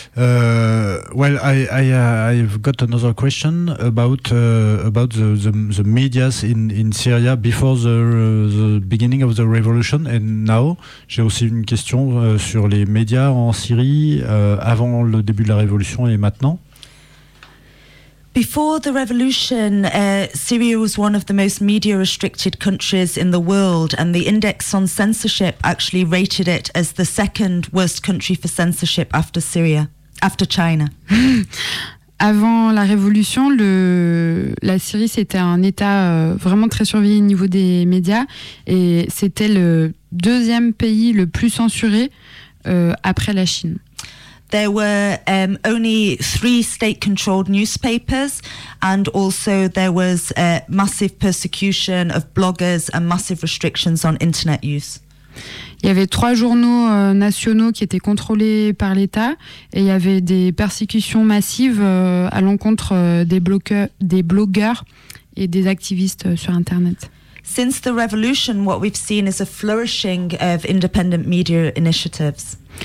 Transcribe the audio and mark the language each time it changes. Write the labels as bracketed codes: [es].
[en] Well, I've got another question about the medias in Syria before the beginning of the revolution and now. [fr] J'ai aussi une question sur les médias en Syrie avant le début de la révolution et maintenant. [en] Before the revolution, Syria was one of the most media-restricted countries in the world, and the Index on Censorship actually rated it as the second worst country for censorship after Syria, after China. [fr] Avant la révolution, la Syrie c'était un état vraiment très surveillé au niveau des médias, et c'était le deuxième pays le plus censuré après la Chine. [en] There were only three state-controlled newspapers and also there was massive persecution of bloggers and massive restrictions on internet use. [fr] Il y avait 3 journaux nationaux qui étaient contrôlés par l'État et il y avait des persécutions massives à l'encontre des blogueurs et des activistes sur Internet. [en] Since the revolution, what we've seen is a flourishing of independent media initiatives.